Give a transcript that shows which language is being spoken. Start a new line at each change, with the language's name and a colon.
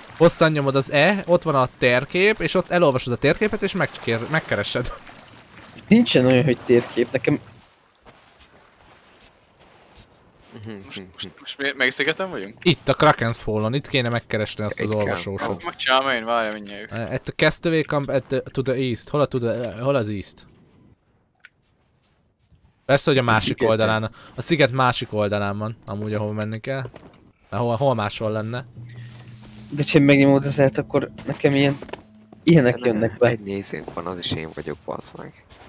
Hungarian: Hosszan nyomod az E, ott van a térkép, és ott elolvasod a térképet, és megkeresed. Nincsen olyan, hogy térkép, nekem... Most melyik szigeten vagyunk? Itt, a Kraken's Fallon, itt kéne megkeresni azt az olvasósot. Megcsinálom én, várjál mindjárt.
English: At the Castaway Camp at the, to the East.
Hungarian: Hol, a,
English: to the,
Hungarian: hol az East? Persze, hogy a másik szigeten. Oldalán. A sziget másik oldalán van, amúgy ahova menni kell. Hol máshol lenne? De ha megnyomod az E-t, akkor nekem ilyen... Ilyenek jönnek be. Egy nézőnk van, az is én vagyok, bassz meg.